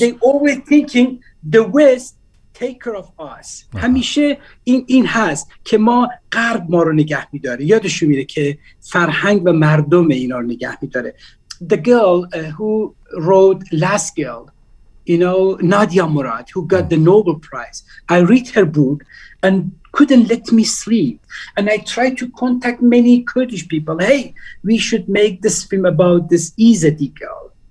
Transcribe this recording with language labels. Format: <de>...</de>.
<en>They always thinking the West take care of us.</en> <fa>Uh-huh. همیشه این هست که ما غرب ما رو نگه میداره. یادشو میره که فرهنگ و مردم اینا رو نگه میداره.</fa> <en>The girl who wrote Last Girl, you know, Nadia Murad, who got the Nobel Prize. I read her book and couldn't let me sleep. And I tried to contact many Kurdish people. Hey, we should make this film about this Yazidi girl.</en>